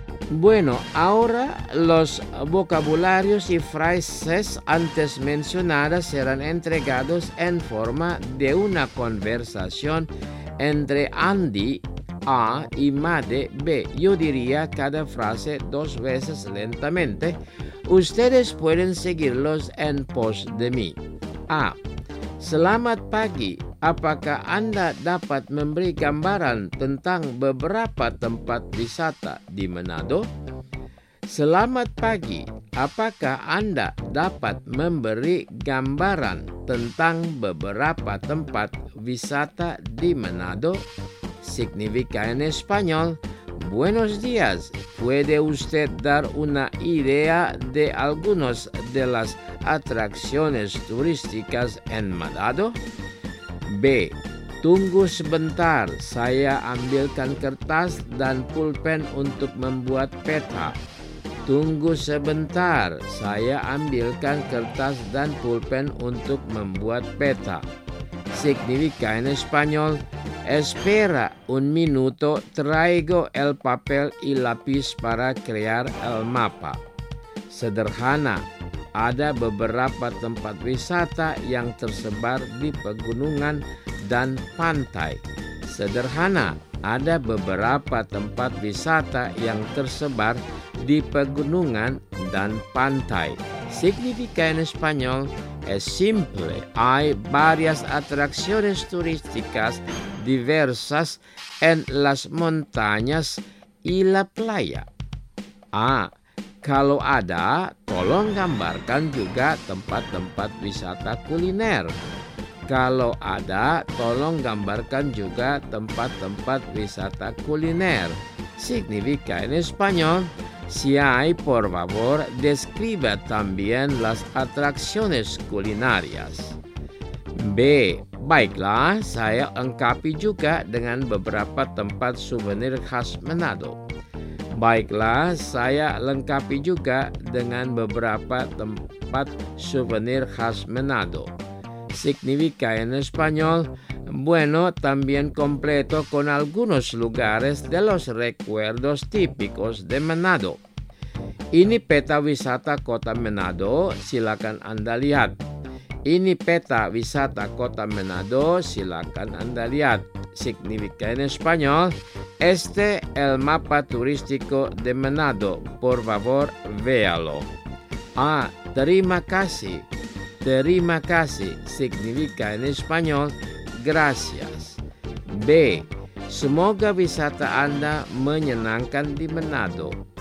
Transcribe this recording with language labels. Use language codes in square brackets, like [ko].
[es] Bueno, ahora los vocabularios y frases antes mencionadas serán entregados en forma de una conversación entre Andy, A, y Made, B. Yo diría cada frase dos veces lentamente. Ustedes pueden seguirlos en pos de mí. [id] A. Selamat pagi. Apakah Anda dapat memberi gambaran tentang beberapa tempat wisata di Manado? Selamat pagi. Apakah Anda dapat memberi gambaran tentang beberapa tempat wisata di Manado? [es] Significa en español. Buenos días. ¿Puede usted dar una idea de algunas de las atracciones turísticas en Manado? B. [id] Tunggu sebentar, saya ambilkan kertas dan pulpen untuk membuat peta. Tunggu sebentar, saya ambilkan kertas dan pulpen untuk membuat peta. [es] Significa en español, espera un minuto, traigo el papel y lápiz para crear el mapa. [id] Sederhana, ada beberapa tempat wisata yang tersebar di pegunungan dan pantai. Sederhana, ada beberapa tempat wisata yang tersebar di pegunungan dan pantai. [es] significa en español es simple. Hay varias atracciones turísticas diversas en las montañas y la playa. [id] Ah, kalau ada, tolong gambarkan juga tempat-tempat wisata kuliner. Kalau ada, tolong gambarkan juga tempat-tempat wisata kuliner. [es] Significa en español, si hay, por favor, describa también las atracciones culinarias. B. [id] Baiklah, saya lengkapi juga dengan beberapa tempat souvenir khas Manado. Baiklah, saya lengkapi juga dengan beberapa tempat souvenir khas Manado. [es] Significa en español, bueno, también completo con algunos lugares de los recuerdos típicos de Manado. [id] Ini peta wisata kota Manado, silakan Anda lihat. Ini peta wisata kota Manado, silakan Anda lihat. [es] Significa en español, este el mapa turístico de Manado, por favor véalo. [id] Ah, terima kasih. Terima kasih [es] significa en español gracias. [id] B. Semoga wisata Anda menyenangkan di Manado.